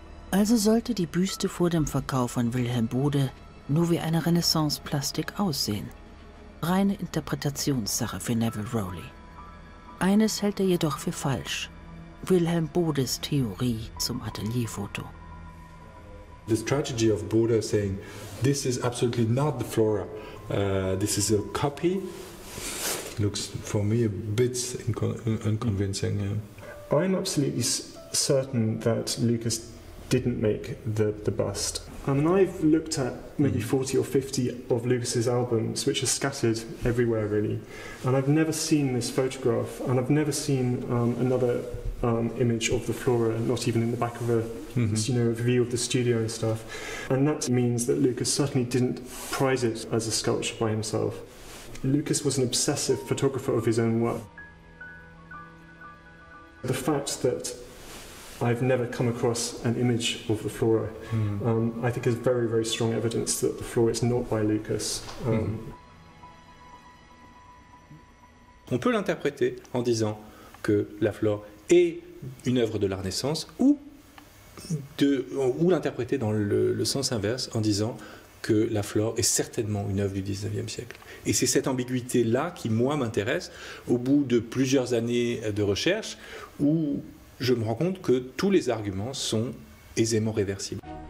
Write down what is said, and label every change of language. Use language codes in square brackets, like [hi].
[de] Also sollte die Büste vor dem Verkauf von Wilhelm Bode nur wie eine Renaissance-Plastik aussehen. Reine Interpretationssache für Neville Rowley. Eines hält er jedoch für falsch. Wilhelm Bodes Theorie zum Atelierfoto. [en] The strategy of Bode saying, this is absolutely not the flora. This is a copy. Looks for me a bit unconvincing. Yeah. I'm absolutely certain that Lucas didn't make the bust. I mean, I've looked at maybe 40 or 50 of Lucas's albums, which are scattered everywhere, really. And I've never seen this photograph, and I've never seen another image of the flora, not even in the back of a, you know, a view of the studio and stuff. And that means that Lucas certainly didn't prize it as a sculpture by himself. Lucas was an obsessive photographer of his own work. The fact that I've never come across an image of the flora. I think it's very, very strong evidence that the flora is not by Lucas. [fr] On peut l'interpréter en disant que la flora est une œuvre de la Renaissance ou l'interpréter dans le sens inverse en disant que la flora est certainement une œuvre du 19e siècle. Et c'est cette ambiguïté-là qui, moi, m'intéresse au bout de plusieurs années de recherche où je me rends compte que tous les arguments sont aisément réversibles.